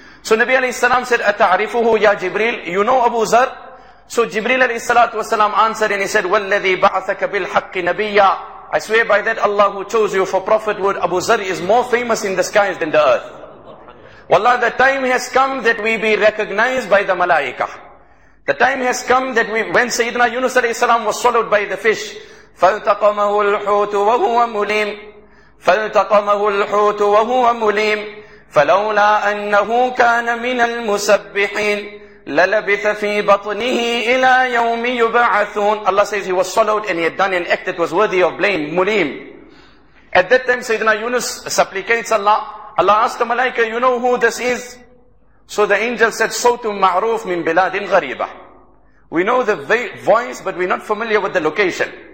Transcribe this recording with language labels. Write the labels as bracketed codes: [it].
[en] So Nabi alayhi salam said, [ar] Ata'arifuhu ya Jibreel? [en] You know Abu Zar? So Jibreel alayhi salatu wasalam answered and he said, [ar] Walladhi ba'athaka bil haqqi nabiyya. [en] I swear by that Allah who chose you for prophet would, Abu Zar is more famous in the skies than the earth. Wallah, the time has come that we be recognized by the malaika. The time has come that we, when Sayyidina Yunus alayhi salam was swallowed by the fish, [ar] فَالْتَقَمَهُ الْحُوتُ وَهُوَ مُلِيمٌ فَالْتَقَمَهُ الْحُوتُ وَهُوَ مُلِيمٌ فَلَوْلَا أَنَّهُ كَانَ مِنَ الْمُسَبِّحِينَ لَلَبِثَ فِي بَطْنِهِ إِلَى يَوْمِ يُبَعَثُونَ. [en] Allah says he was swallowed and he had done an act that was worthy of blame, mulim. At that time Sayyidina Yunus supplicates Allah. Allah asked the malaika, you know who this is? So the angel said, [ar] Sawtun ma'roof min biladin ghariba. [en] We know the voice, but we're not familiar with the location.